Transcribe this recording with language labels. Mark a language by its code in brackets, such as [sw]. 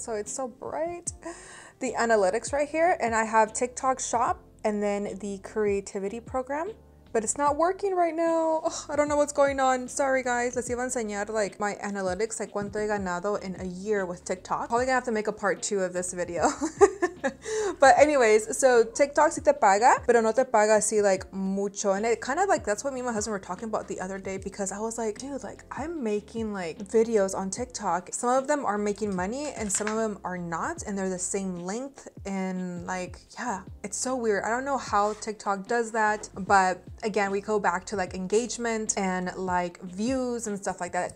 [en] So it's so bright. The analytics right here. And I have TikTok shop and then the creativity program. But it's not working right now. Oh, I don't know what's going on. Sorry, guys. [es] Les iba a enseñar [en] like my analytics, like [es] cuánto he ganado [en] in a year with TikTok. Probably gonna have to make a part two of this video. But anyways, so [es] TikTok sí te paga, pero no te paga así like mucho. [en] And it kind of like, that's what me and my husband were talking about the other day, because I was like, dude, like I'm making like videos on TikTok. Some of them are making money and some of them are not. And they're the same length. And like, yeah, it's so weird. I don't know how TikTok does that, but again, we go back to like engagement and like views and stuff like that.